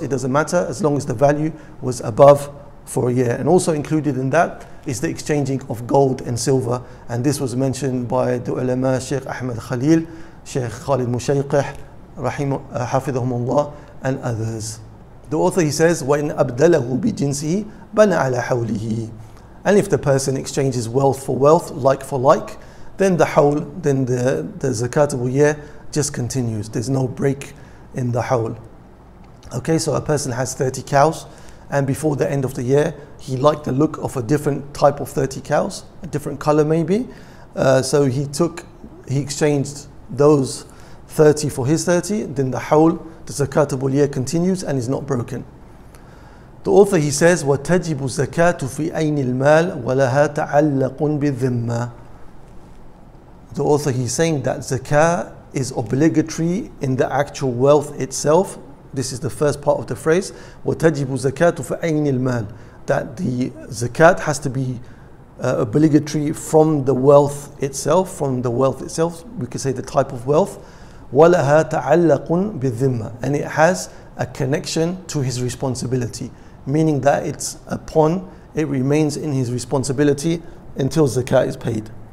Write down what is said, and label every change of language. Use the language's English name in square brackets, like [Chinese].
[English] It doesn't matter as long as the value was above for a year. And also included in that is the exchanging of gold and silver. And this was mentioned by the ulama Sheikh Ahmed Khalil, Sheikh Khalid Mushayqih, حفظهم الله, and others. [Arabic] The author, he says, وَإِنْ أَبْدَلَهُ بِجِنْسِهِ بَنَ عَلَى حَوْلِهِ. [English] And if the person exchanges wealth for wealth, like for like, then the hawl, then the zakat of a year just continues. There's no break in the hawl. Okay, so a person has 30 cows, and before the end of the year, he liked the look of a different type of 30 cows, a different color maybe. So he exchanged those 30 for his 30, then the hawl, the zakat of the year continues and is not broken. The author, he says, وَتَجِبُ الزَّكَاتُ فِي أَيْنِ الْمَالِ وَلَهَا تَعَلَّقٌ بِالذِّمَّةِ. The author, he's saying that zakat is obligatory in the actual wealth itself. This is the first part of the phrase. [Arabic] وَتَجِبُ الزَّكَاتُ فِي أَيْنِ الْمَالِ. [English] That the zakat has to be obligatory from the wealth itself. From the wealth itself, we could say the type of wealth. [Arabic] وَلَهَا تَعَلَّقٌ بِالذِّمَّةِ. [English] And it has a connection to his responsibility, meaning that it's upon, it remains in his responsibility until zakat is paid.